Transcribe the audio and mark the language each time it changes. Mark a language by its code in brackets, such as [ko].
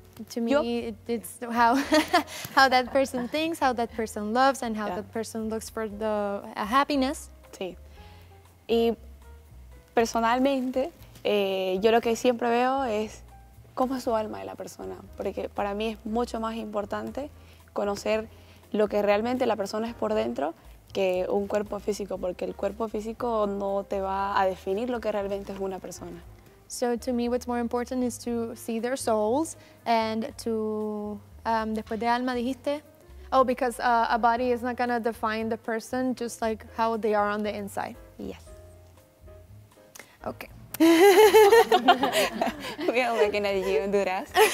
[en] To me, it's how how that person thinks, how that person loves, and how that person looks for the happiness. [es] Sí. Y personalmente, yo lo que siempre veo es cómo es su alma de la persona, porque para mí es mucho más importante conocer lo que realmente la persona es por dentro que un cuerpo físico, porque el cuerpo físico no te va a definir lo que realmente es una persona. [en] So to me, what's more important is to see their souls and to, [es] después de alma, dijiste, [en] oh, because a body is not gonna define the person just like how they are on the inside. Yes. Okay. We are looking at you, Honduras.